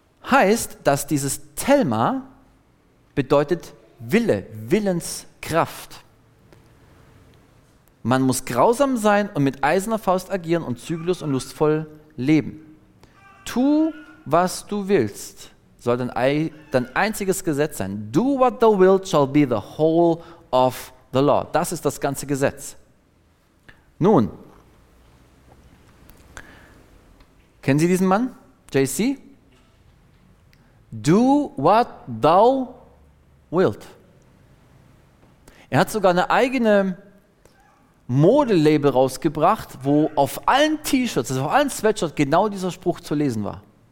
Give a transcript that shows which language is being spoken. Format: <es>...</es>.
<de>Heißt, dass dieses Thelma bedeutet Wille, Willenskraft. Man muss grausam sein und mit eiserner Faust agieren und zügellos und lustvoll leben. Tu, was du willst, soll dein einziges Gesetz sein.</de> <en>Do what thou wilt shall be the whole of the law.</en> <de>Das ist das ganze Gesetz. Nun, kennen Sie diesen Mann, JC? Do what thou wilt. Er hat sogar eine eigene Modelabel rausgebracht, wo auf allen T-Shirts, also auf allen Sweatshirts genau dieser Spruch zu lesen war.</de>